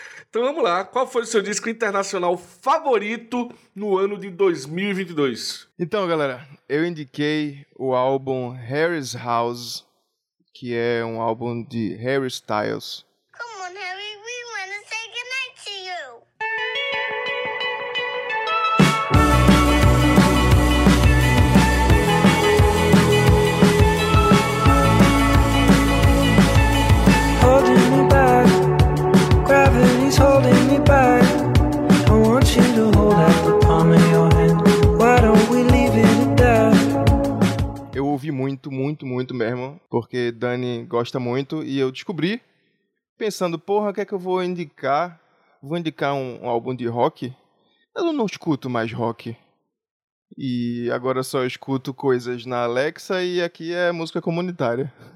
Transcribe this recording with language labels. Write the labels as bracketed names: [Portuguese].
[Portuguese] Então vamos lá, qual foi o seu disco internacional favorito no ano de 2022? Então galera, eu indiquei o álbum Harry's House, que é um álbum de Harry Styles. [English] Come on Harry, we wanna say goodnight to you. Holding me back. Gravity's holding me back. I want you to hold out the palm of your hand. Why don't we leave it there? [Portuguese] Eu ouvi muito, muito, muito mesmo, porque Dani gosta muito, e eu descobri, pensando, porra, o que é que eu vou indicar? Vou indicar um álbum de rock? Eu não escuto mais rock. E agora só escuto coisas na Alexa, e aqui é música comunitária.